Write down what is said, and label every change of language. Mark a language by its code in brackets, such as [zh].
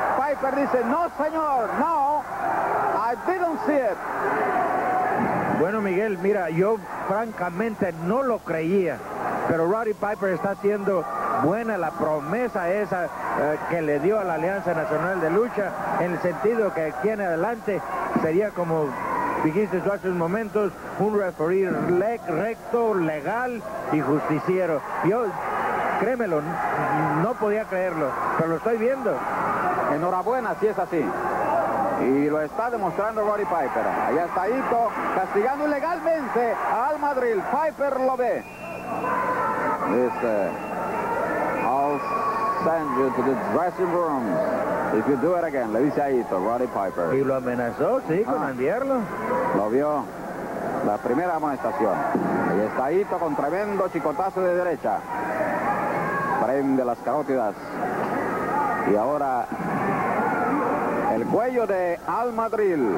[es] Piper dice, no señor, no, [en] I didn't see it. [es] Bueno, Miguel, mira, yo francamente no lo creía, pero Roddy Piper está haciendo buena la promesa esa que le dio a la Alianza Nacional de Lucha, en el sentido que aquí en adelante sería, como dijiste tú hace unos momentos, un referir recto, legal y justiciero. Yo, créemelo, no podía creerlo, pero lo estoy viendo. Enhorabuena, si es así. Y lo está demostrando Roddy Piper. Allá está Ito, castigando ilegalmente al Madrid. Piper lo ve. Dice, [en] I'll send you to the dressing room if you do it again, [es] le dice a [en] Ito, Roddy Piper. [es] Y lo amenazó, sí, con enviarlo. Lo vio. La primera amonestación. Ahí está Ito con tremendo chicotazo de derecha. Prende las carótidas. Y ahora el cuello de Al Madrid.